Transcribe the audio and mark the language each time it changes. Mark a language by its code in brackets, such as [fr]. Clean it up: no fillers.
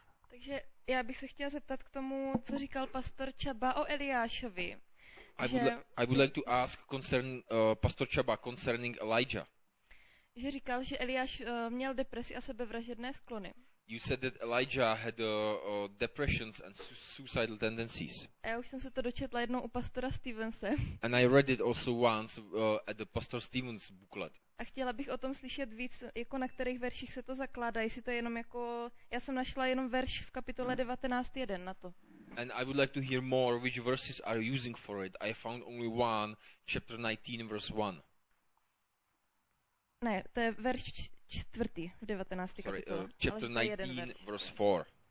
[cs] Takže já bych se chtěla zeptat k tomu, co říkal pastor Čaba o Eliášovi. [en] I would like to ask concerning Pastor Chaba concerning Elijah. [cs] Že říkal, že Eliáš měl depresi a sebevražedné sklony. [en] You said that Elijah had depressions and suicidal tendencies. [cs] A já už jsem se to dočetla jednou u pastora Stevense. [en] And I read it also once at the Pastor Stevens booklet. [cs] A chtěla bych o tom slyšet víc, jako na kterých verších se to zakládá, jestli to je jenom jako, já jsem našla jenom verš v kapitole 19:1 na to. [en] And I would like to hear more which verses are using for it. I found only one, chapter 19, verse 1. [cs] Ne, to je verš čtvrtý, 19. kapitole. [en] Chapter 19, verse 4.